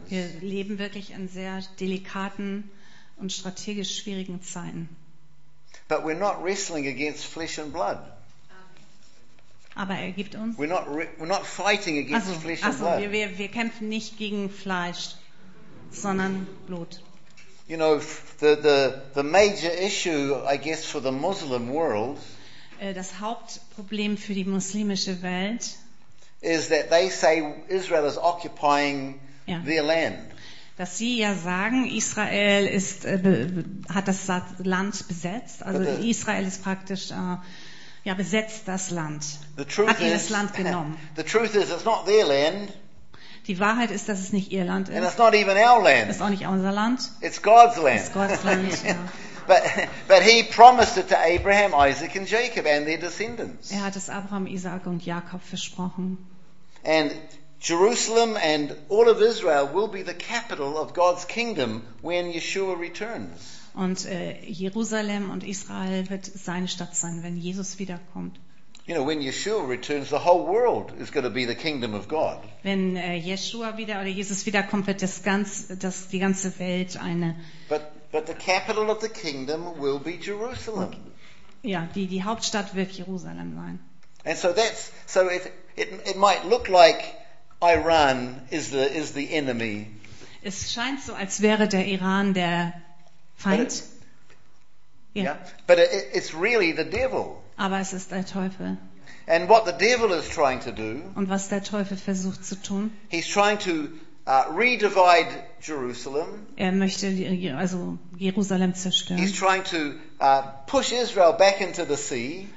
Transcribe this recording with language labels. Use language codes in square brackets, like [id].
[de] Wir leben wirklich in sehr delikaten und strategisch schwierigen Zeiten. [en] But we're not wrestling against flesh and blood. [de] Aber er gibt uns. [en] We're not fighting against flesh and blood. [de] Wir kämpfen nicht gegen Fleisch, sondern Blut. [en] You know, the major issue, I guess, for the Muslim world. [de] Das Hauptproblem für die muslimische Welt. [en] Is that they say Israel is occupying their land. [de] Dass sie ja sagen, Israel ist hat das Land besetzt. Also Israel ist praktisch. Ja, besetzt das Land. Hat ihnen Land genommen. [en] The truth is, it's not their land. [de] Die Wahrheit ist, dass es nicht ihr Land ist. [en] And it's not even our land. [de] Ist auch nicht unser Land. [en] It's God's land. [de] Ist Gottes Land. [en] But he promised it to Abraham, Isaac and Jacob and their descendants. [de] Er hat es Abraham, Isaac und Jakob versprochen. [en] And Jerusalem and all of Israel will be the capital of God's kingdom when Yeshua returns. [de] Und Jerusalem und Israel wird seine Stadt sein, wenn Jesus wiederkommt. [en] You know, when Yeshua returns, the whole world is going to be the kingdom of God. [de] Wenn Yeshua wieder oder Jesus wiederkommt, wird die ganze Welt eine. [en] But the capital of the kingdom will be Jerusalem. [de] Ja, die Hauptstadt wird Jerusalem sein. [en] And so it might look like Iran is the enemy. [de] Es scheint so, als wäre der Iran der Feind. [en] But it's really the devil. [de] Aber es ist der Teufel. [en] And what the devil is trying to do? [de] Und was der Teufel versucht zu tun? [en] He's trying to redivide Jerusalem. [de] Er möchte also Jerusalem zerstören. [en] He's trying to push Israel back into the sea.